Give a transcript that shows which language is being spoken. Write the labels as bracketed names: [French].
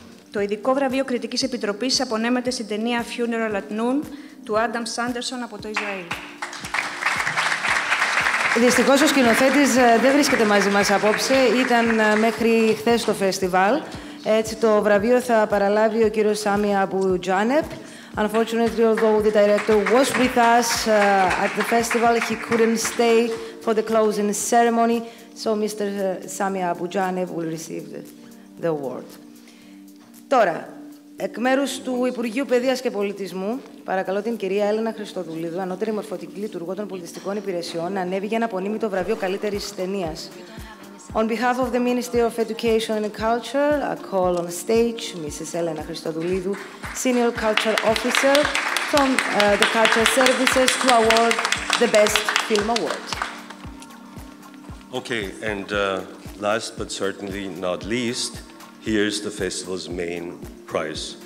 [Greek] Το ειδικό βραβείο Κριτικής Επιτροπής απονέμεται στην ταινία Funeral at Noon του Άνταμ Σάντερσον από το Ισραήλ. Δυστυχώς ο σκηνοθέτης δεν βρίσκεται μαζί μας απόψε, ήταν μέχρι χθες στο φεστιβάλ. Έτσι, το βραβείο θα παραλάβει ο κύριος Σάμι Αμπού Τζάνεπ. [English] Unfortunately, although the director was with us at the festival, he couldn't stay for the closing ceremony, so Mr. [Greek] Σάμι Αμπού Τζάνεπ [English] will receive the award. [Greek] Τώρα, εκ μέρους του Υπουργείου Παιδείας και Πολιτισμού, παρακαλώ την κυρία Έλενα Χριστοδουλίδου, ανώτερη μορφωτική λειτουργό των πολιτιστικών υπηρεσιών, να ανέβει για να απονείμει το βραβείο καλύτερης ταινίας. [English] On behalf of the Ministry of Education and Culture, I call on stage Mrs. Elena Christodoulidou, Senior Cultural Officer from the Culture Services, to award the Best Film Award. Okay, and last but certainly not least, here's the festival's main prize.